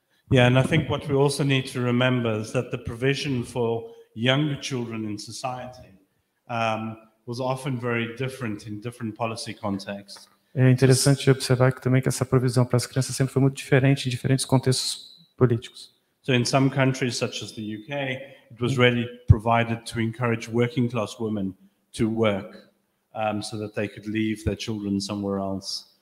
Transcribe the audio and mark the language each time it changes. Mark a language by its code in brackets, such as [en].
[en] Yeah, and I think what we also need to remember is that the provision for younger children in society was often very different in different policy contexts. [pt] É interessante observar que também que essa provisão para as crianças sempre foi muito diferente em diferentes contextos políticos. [en] So in some countries, such as the UK, it was really provided to encourage working class women to work so that they could leave their children somewhere else.